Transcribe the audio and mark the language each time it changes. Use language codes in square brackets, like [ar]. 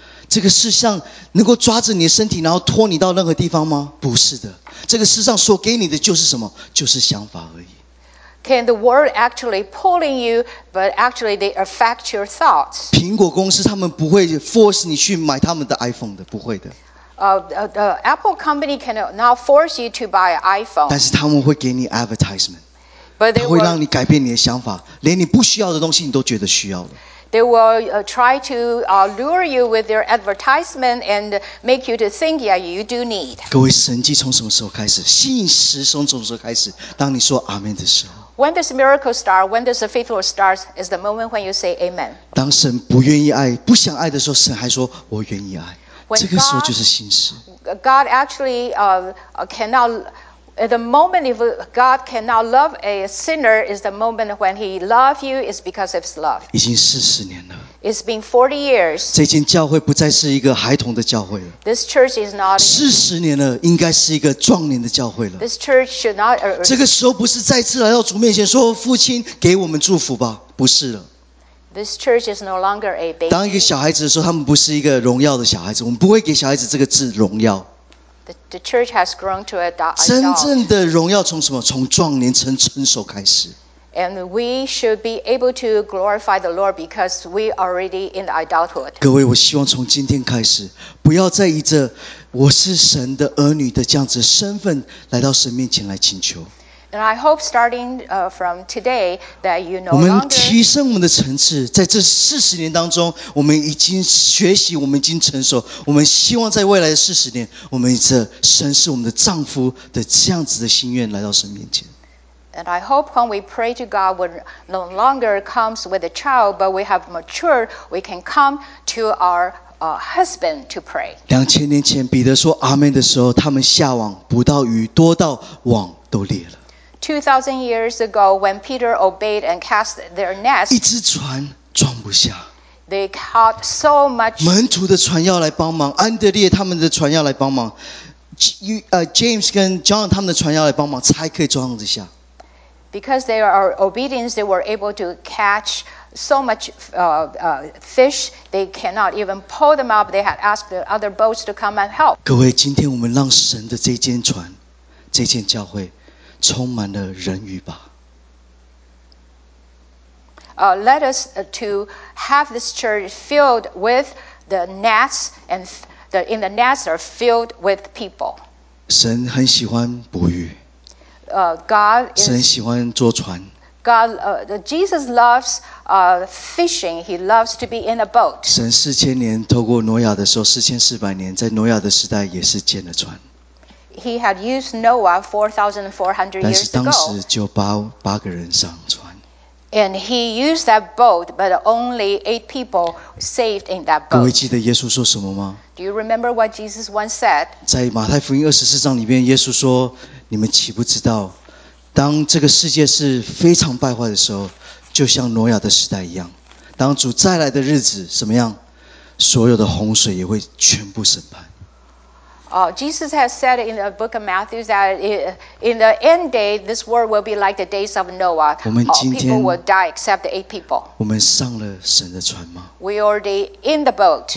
[zh] 这个世上能够抓着你的身体，然后拖你到任何地方吗？不是的。这个世上所给你的就是什么？就是想法而已。 [en] Can the world actually pulling you, but actually they affect your thoughts? [zh] 苹果公司他们不会 force 你去买他们的 iPhone 的，不会的。 [en] The Apple company cannot force you to buy an iPhone. [zh] 但是他们会给你 advertisement. [en] But they [zh] 他会让你改变你的想法，连你不需要的东西你都觉得需要了。 [en] They will try to lure you with their advertisement and make you to think, yeah, you do need. [zh] 各位，神迹从什么时候开始？信实从什么时候开始？当你说 Amen 的时候。 [en] When does miracle start? When does the faithful start? Is the moment when you say Amen. [zh] 当神不愿意爱、不想爱的时候，神还说我愿意爱。 [en] When、 [zh] 这个时候就是心思。 [en] God actually cannot. At the moment if God cannot love a sinner, is the moment when He loves you is because of His love. [zh] 已经四十年了。 [en] It's been 40 years. [zh] 这间教会不再是一个孩童的教会了。 [en] This church is not. [zh] 四十年了，应该是一个壮年的教会了。 [en] This church should not. [zh] 这个时候不是再次来到主面前说父亲给我们祝福吧？不是了。 [en] This church is no longer a baby. [zh] 当一个小孩子的时候，他们不是一个荣耀的小孩子。我们不会给小孩子这个字荣耀。 [en] The church has grown to a adult. [zh] 真正的荣耀从什么？从壮年成熟开始。 [en] And we should be able to glorify the Lord because we already in adulthood. [zh] 各位，我希望从今天开始，不要再以着我是神的儿女的这样子身份来到神面前来请求。 [en] And I hope starting from today that you no longer. [zh] 我们提升我们的层次，在这四十年当中，我们已经学习，我们已经成熟。我们希望在未来的四十年，我们这神是我们的丈夫的这样子的心愿来到神面前。 [en] And I hope when we pray to God, we no longer comes with a child, but we have matured. We can come to our husband to pray. [zh] 2000年前，彼得说阿门的时候，他们下网捕到鱼，多到网都裂了。 [en] 2,000 years ago, when Peter obeyed and cast their nets, [zh] 一只船装不下。 [en] They caught so much. [zh] 门徒的船要来帮忙，安德烈他们的船要来帮忙，James 跟 John 他们的船要来帮忙，才可以装得下。 [en] Because they are obedient, they were able to catch so much fish. They cannot even pull them up. They had asked the other boats to come and help. [zh] 各位，今天我们让神的这间船，这间教会。充满了人鱼吧。 [en] Let us to have this church filled with the nets, and the in the nets are filled with people. [zh] 神很喜欢捕鱼。 [en] God is, [zh] 神喜欢坐船。 [en] God, Jesus loves fishing. He loves to be in a boat. [zh] 神四千年透过挪亚的时候，四千四百年在挪亚的时代也是建了船。 [en] He had used Noah 4,400 years ago. [zh] 但是当时就八个人上船。 [en] And he used that boat, but only 8 people saved in that boat. [zh] 各位记得耶稣说什么吗？ [en] Do you remember what Jesus once said? [zh] 在马太福音24章里面，耶稣说：“你们岂不知道，当这个世界是非常败坏的时候，就像挪亚的时代一样，当主再来的日子怎么样，所有的洪水也会全部审判。” [en] Jesus has said in the book of Matthew that in the end day, this world will be like the days of Noah. All people will die except the 8 people. [zh] 我们上了神的船吗？ [en] We are already in the boat.